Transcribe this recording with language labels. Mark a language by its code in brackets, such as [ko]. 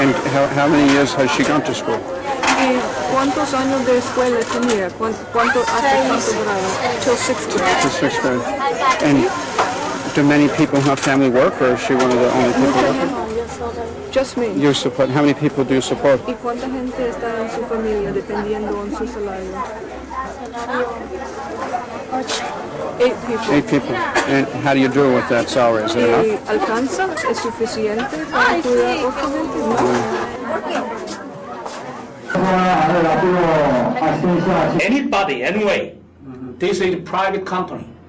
[en] And how many years has she gone to school? [es] ¿Cuántos años de escuela tenía? ¿Cuánto hasta cuánto grado? [en] Till sixth grade. Till sixth grade. And do many people in her family work, or is she one of the only people working? Just me. You support. How many people do you support? [es] ¿Y cuánta gente está en su familia dependiendo en su salario? [en] Eight people. And how do you do with that salary? Is it enough? [es] Alcanza? Es suficiente para cuidar a otra gente? No. [en] Anybody, anyway, this is a private company.